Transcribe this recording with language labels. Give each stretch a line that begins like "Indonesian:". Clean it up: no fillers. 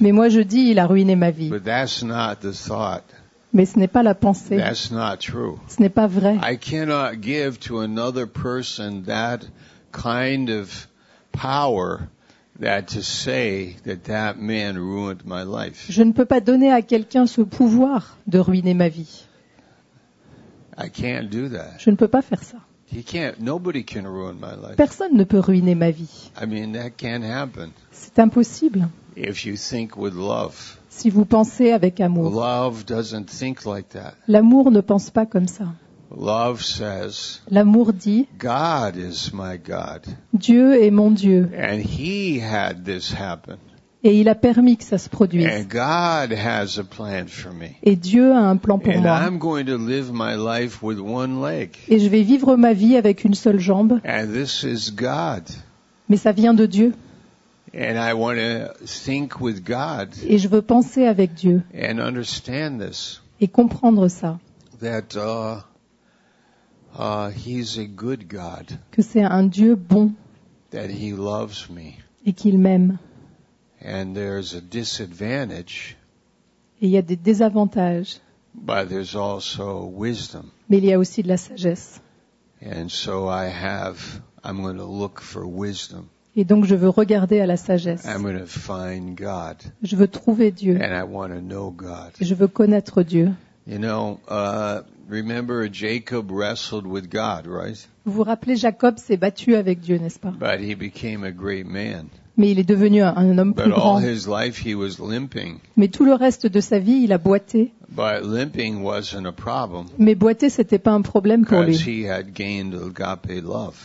French: Mais moi je dis il a ruiné ma vie.
English: But that's not the thought.
French: Mais ce n'est pas la pensée.
English: That's not true.
French: Ce n'est pas vrai.
English: I cannot give to another person that kind of power that to say that that man ruined my life.
French: Je ne peux pas donner à quelqu'un ce pouvoir de ruiner ma vie.
English: I can't do that.
French: Je ne peux pas faire ça.
English: He can't, nobody can ruin my life.
French: Personne ne peut ruiner ma vie.
English: I mean, that can't happen.
French: C'est impossible.
English: If you think with love.
French: Si vous pensez avec amour.
English: Love doesn't think like that.
French: L'amour ne pense pas comme ça.
English: Love says,
French: l'amour dit,
English: God is my God.
French: Dieu est mon Dieu.
English: And he had this happen.
French: Et il a permis que ça se produise.
English: And God has a plan for me.
French: Et Dieu a un plan pour
English: and
French: moi.
English: I'm going to live my life with one leg.
French: Et je vais vivre ma vie avec une seule jambe.
English: And this is God.
French: Mais ça vient de Dieu.
English: And I want to think with God.
French: Et je veux penser avec Dieu.
English: And understand this.
French: Et comprendre ça.
English: That he's a good God.
French: Que c'est un Dieu bon.
English: That he loves me.
French: Et qu'il m'aime.
English: And there's a disadvantage.
French: Et il y a des désavantages.
English: But there's also wisdom.
French: Mais il y a aussi de la sagesse.
English: And so I'm going to look for wisdom.
French: Et donc je veux regarder à la sagesse.
English: I'm going to find God.
French: Je veux trouver Dieu.
English: And I want to know God.
French: Et je veux connaître Dieu.
English: You know, remember Jacob wrestled with God, right?
French: Vous vous rappelez, Jacob s'est battu avec Dieu, n'est-ce pas?
English: But he became a great man.
French: Mais il est devenu un homme plus grand.
English: His life, he was limping.
French: Mais tout le reste de sa vie, il a boité.
English: But limping wasn't a problem.
French: Mais boiter, ce n'était pas un problème pour lui.
English: He had gained agape love.